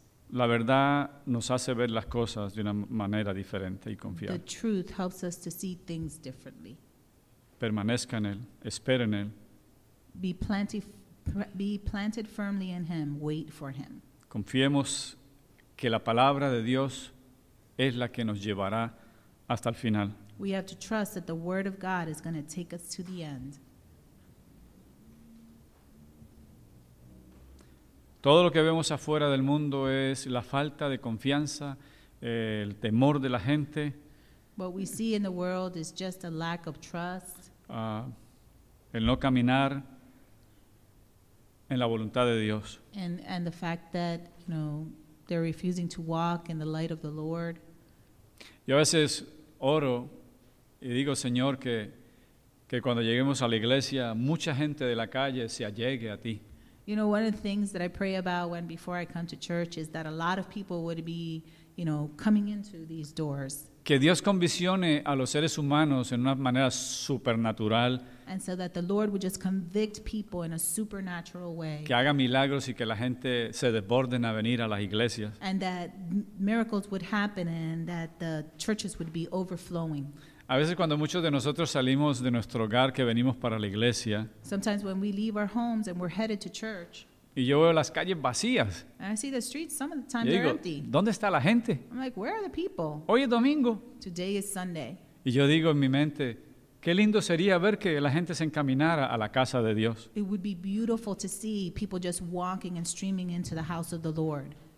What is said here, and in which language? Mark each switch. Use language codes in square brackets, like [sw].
[es] La verdad nos hace ver las cosas de una manera diferente y confiar. [en] The truth helps us to see things differently. [es] Permanezca en Él, espera en Él. [en] Be planted firmly in Him, wait for Him. [es] Confiemos que la palabra de Dios es la que nos llevará hasta el final. [en] We have to trust that the Word of God is going to take us to the end. [es] Todo lo que vemos afuera del mundo es la falta de confianza, el temor de la gente. [en] What we see in the world is just a lack of trust. [es] El no caminar en la voluntad de Dios. [en] And the fact that, you know, they're refusing to walk in the light of the Lord. [es] Yo a veces oro y digo, Señor, que cuando lleguemos a la iglesia, mucha gente de la calle se allegue a ti. [en] You know, one of the things that I pray about when before I come to church is that a lot of people would be, you know, coming into these doors. [es] Que Dios convicione a los seres humanos en una manera supernatural. [en] And so that the Lord would just convict people in a supernatural way. [es] Que haga milagros y que la gente se desborden a venir a las iglesias. [en] And that miracles would happen and that the churches would be overflowing. [es] A veces cuando muchos de nosotros salimos de nuestro hogar que venimos para la iglesia. [en] Sometimes when we leave our homes and we're headed to church. [es] Y yo veo las calles vacías. [en] And I see the streets, some of the time they're empty. [es] ¿Dónde está la gente? [en] I'm like, where are the people? [es] Hoy es domingo. [en] Today is Sunday. [es] Y yo digo en mi mente, qué lindo sería ver que la gente se encaminara a la casa de Dios. [en] It would be beautiful to see people just walking and streaming into the house of the Lord.